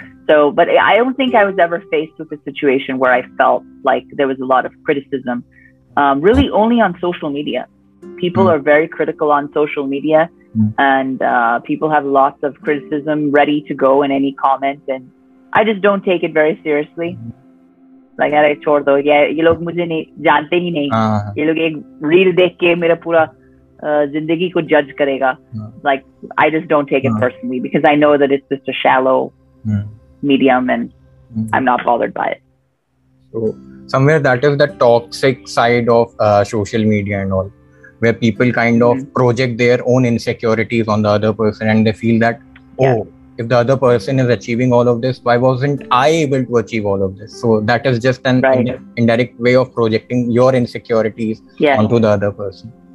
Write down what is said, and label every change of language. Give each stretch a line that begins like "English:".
English: So, but I don't think I was ever faced with a situation where I felt like there was a lot of criticism. Really only on social media. People are very critical on social media, and people have lots of criticism ready to go in any comment, and I just don't take it very seriously. Like, I
Hindi: छोड़ दो, ये लोग मुझे जानते ही नहीं, ये लोग एक रील देख के मेरा पूरा ज़िंदगी को judge करेगा.
English: Like, I just don't take it personally, because I know that it's just a shallow medium, and I'm not bothered by it. So somewhere that is the toxic side of social media and all, where people kind of project their own insecurities on the other person, and they feel that, oh, if the other person is achieving all of this, why wasn't I able to achieve all of this? So that is just an indirect way of projecting your insecurities onto the other person.